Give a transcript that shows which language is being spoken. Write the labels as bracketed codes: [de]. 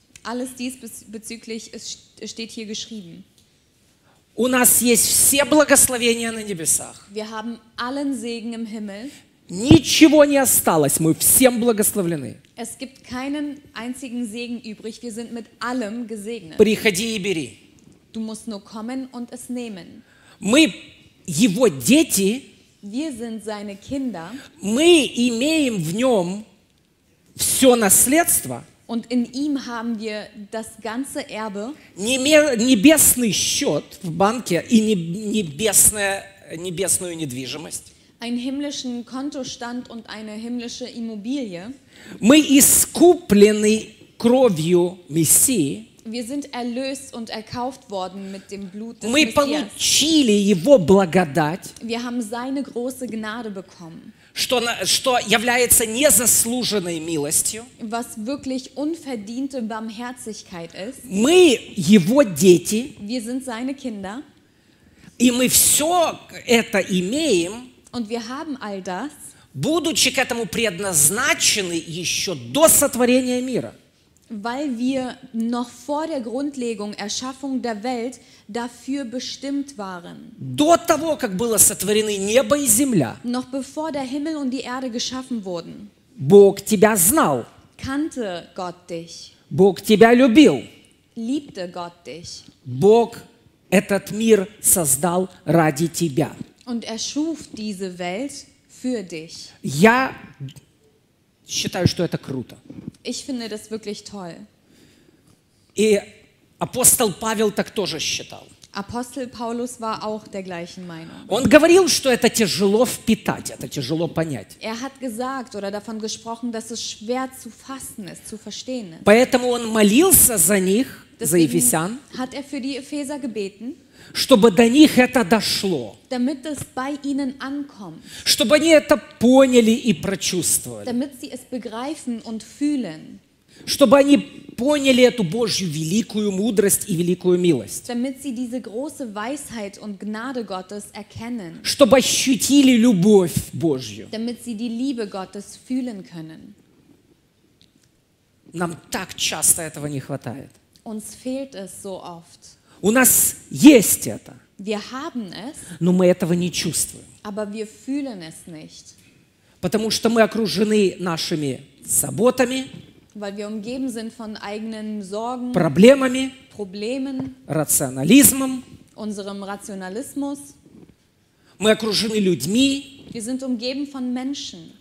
[de] Alles dies bezüglich steht hier geschrieben. [ru] У нас есть все благословения на небесах. [de] Wir haben allen Segen im Himmel. [ru] Ничего не осталось, мы всем благословлены. [de] Es gibt keinen einzigen Segen übrig, wir sind mit allem gesegnet. [ru] Приходи и бери. [de] Du musst nur kommen und es nehmen. [ru] Мы его дети. [de] Wir sind seine Kinder. [ru] Мы имеем в нем все наследство. [de] Und in ihm haben wir das ganze Erbe. [ru] Небесный счет в банке и небесную недвижимость. [de] Einen himmlischen Kontostand und eine himmlische Immobilie. [ru] Мы искуплены кровью Мессии. [de] Wir sind erlöst und erkauft worden mit dem Blut des [ru] Messias. Мы получили его благодать. [de] Wir haben seine große Gnade bekommen. [ru] Что является незаслуженной милостью. [de] Was wirklich unverdiente Barmherzigkeit ist. [ru] Мы его дети. [de] Wir sind seine Kinder. [ru] И мы все это имеем. [de] Und wir haben all das. [ru] Будучи к этому предназначены еще до сотворения мира. [de] Weil wir noch vor der Grundlegung, Erschaffung der Welt, dafür bestimmt waren. [ru] До того, как было сотворено небо и земля, [de] noch bevor der Himmel und die Erde geschaffen wurden, [ru] Бог тебя знал, [de] kannte Gott dich, [ru] Бог тебя любил, [de] liebte Gott dich, [ru] Бог этот мир создал ради тебя. [de] Und er schuf diese Welt für dich. [ru] Я считаю, что это круто. [de] Ich finde das wirklich toll. [ru] И апостол Павел так тоже считал. [de] Апостол Паулус war auch der gleichen Meinung. [ru] Он говорил, что это тяжело впитать, это тяжело понять. [de] Er hat gesagt oder davon gesprochen, dass es schwer zu fassen ist, zu verstehen ist. [ru] Поэтому он молился за них, за ефесян. [de] Hat er für die Epheser gebeten? [ru] Чтобы до них это дошло. [de] Damit es bei ihnen ankommt. [ru] Чтобы они это поняли и прочувствовали. [de] Damit sie es begreifen und fühlen. [ru] Чтобы они поняли эту Божью великую мудрость и великую милость. [de] Damit sie diese große Weisheit und Gnade Gottes erkennen. [ru] Чтобы ощутили любовь Божью. [de] Damit sie die Liebe Gottes fühlen können. [ru] Нам так часто этого не хватает. [de] Uns fehlt es so oft. [ru] У нас есть это. [de] Wir haben es, [ru] но мы этого не чувствуем. [de] Aber wir fühlen es nicht. [ru] Потому что мы окружены нашими заботами, [de] weil wir umgeben sind von eigenen Sorgen, [ru] проблемами, [de] Problemen, [ru] рационализмом, [de] unserem Rationalismus. [ru] Мы окружены людьми, [de] wir sind umgeben von Menschen.